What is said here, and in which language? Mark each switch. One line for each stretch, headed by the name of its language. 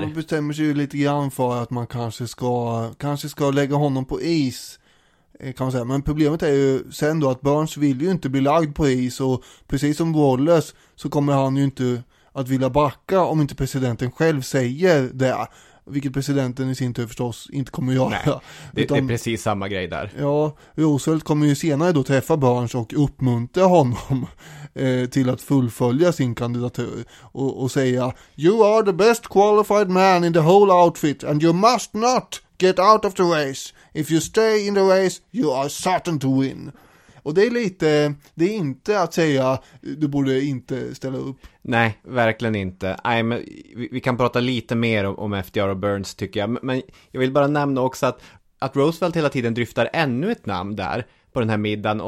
Swedish: Man bestämmer sig ju lite grann för att man kanske ska lägga honom på is, kan man säga. Men problemet är ju sen då att Burns vill ju inte bli lagd på is, och precis som Wallace så kommer han ju inte att vilja backa om inte presidenten själv säger det. Vilket presidenten i sin tur förstås inte kommer att göra. Nej, det är precis samma grej där. Ja, Roosevelt kommer ju senare då träffa Burns och uppmuntra honom till att fullfölja sin kandidatur. Och säga,
English: you are the best qualified man in the whole outfit and you must not get out of the race. If you stay in the race, you are certain to win.
Swedish: Och det är lite, det är inte att säga, du borde inte ställa upp. Nej, verkligen inte. Nej, men vi kan prata lite mer om FDR och Burns tycker jag. Men jag vill bara nämna också att Roosevelt hela tiden dryftar ännu ett namn där på den här middagen.